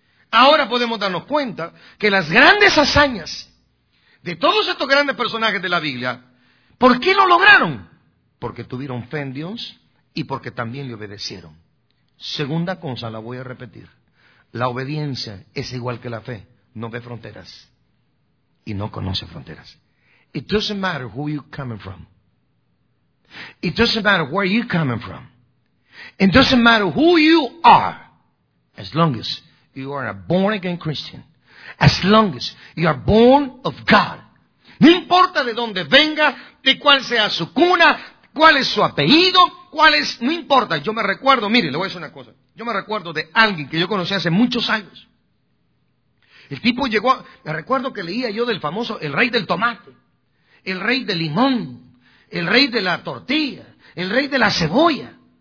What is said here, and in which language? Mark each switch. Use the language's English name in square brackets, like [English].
[Spanish] Ahora podemos darnos cuenta que las grandes hazañas de todos estos grandes personajes de la Biblia, ¿por qué lo lograron? Porque tuvieron fe en Dios y porque también le obedecieron. Segunda cosa, la voy a repetir. La obediencia es igual que la fe, no ve fronteras. y no conoce fronteras. [English] It doesn't matter who you coming from. It doesn't matter where you coming from. It doesn't matter who you are. As long as you are a born again Christian. As long as you are born of God. [Spanish] No importa de dónde venga, de cuál sea su cuna, cuál es su apellido, cuál es, no importa. Yo me recuerdo, mire, le voy a decir una cosa. Yo me recuerdo de alguien que yo conocí hace muchos años. El tipo llegó, me recuerdo que leía yo del famoso, el rey del tomate, el rey del limón, el rey de la tortilla, el rey de la cebolla.